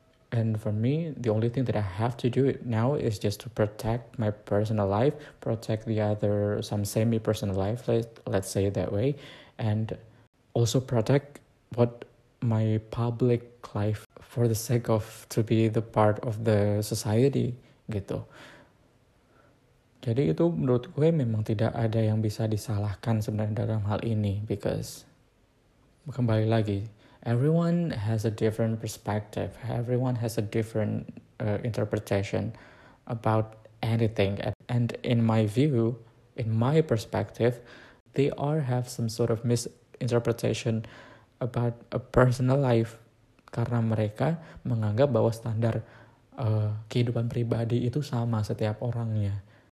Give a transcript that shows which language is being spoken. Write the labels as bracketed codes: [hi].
[en] And for me, the only thing that I have to do now is just to protect my personal life, protect the other, some semi-personal life, let's say it that way, and also protect what my public life for the sake of to be the part of the society, gitu. [id] Jadi itu menurut gue memang tidak ada yang bisa disalahkan sebenarnya dalam hal ini, because kembali lagi, [en] everyone has a different perspective. Everyone has a different interpretation about anything. And in my view, in my perspective, they all have some sort of misinterpretation about a personal life. [id] Karena mereka menganggap bahwa standar kehidupan pribadi itu sama setiap orangnya.